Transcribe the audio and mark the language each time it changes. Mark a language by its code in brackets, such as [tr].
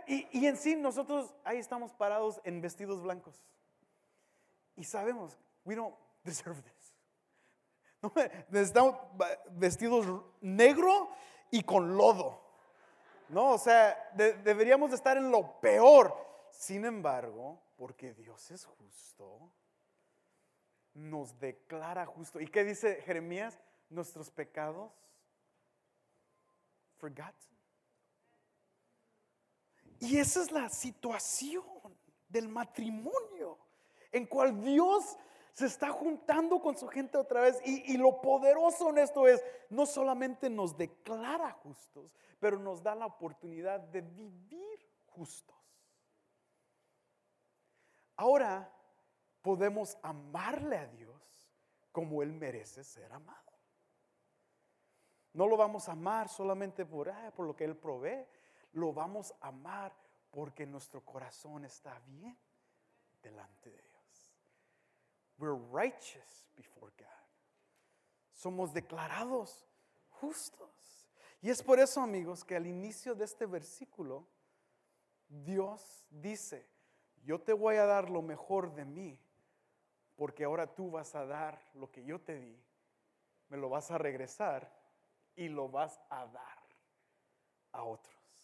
[es] Y en sí, nosotros ahí estamos parados en vestidos blancos. Y sabemos, [en] we don't deserve this. [es] No me, necesitamos vestidos negro y con lodo. No, o sea, deberíamos estar en lo peor. Sin embargo, porque Dios es justo, nos declara justo. ¿Y qué dice Jeremías? nuestros pecados. [en] Forgotten. [es] Y esa es la situación del matrimonio en cual Dios se está juntando con su gente otra vez. Y lo poderoso en esto es, no solamente nos declara justos, pero nos da la oportunidad de vivir justos. Ahora podemos amarle a Dios como Él merece ser amado. No lo vamos a amar solamente por lo que Él provee. Lo vamos a amar porque nuestro corazón está bien delante de Dios. [en] We're righteous before God. [es] Somos declarados justos. Y es por eso, amigos, que al inicio de este versículo, Dios dice, yo te voy a dar lo mejor de mí, porque ahora tú vas a dar lo que yo te di, me lo vas a regresar y lo vas a dar a otro.